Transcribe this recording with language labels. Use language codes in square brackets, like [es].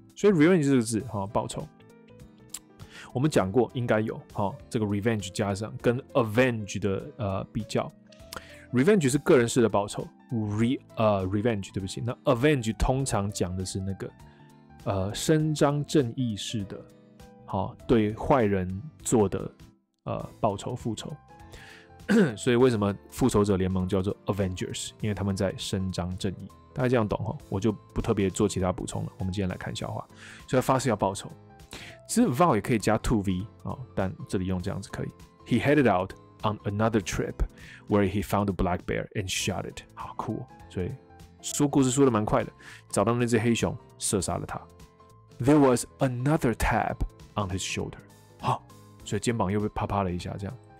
[zh] 所以 revenge 这个字，好，报仇，我们讲过应该有，好，这个 revenge 加上跟 avenge 的比较 ，revenge 是个人式的报仇 ，revenge 对不起，那 avenge 通常讲的是那个伸张正义式的，好，对坏人做的报仇复仇。所以为什么复仇者联盟叫做 Avengers？ 因为他们在伸张正义。大家这样懂哈，我就不特别做其他补充了。我们今天来看笑话，所以发誓要报仇。其实 vow 也可以加 to v 啊，但这里用这样子可以。 [en] He headed out on another trip where he found a black bear and shot it。 [zh] 好酷哦！所以说故事说的蛮快的，找到那只黑熊，射杀了他。 [en] There was another tap on his shoulder。 [zh] 好，所以肩膀又被啪啪了一下，这样。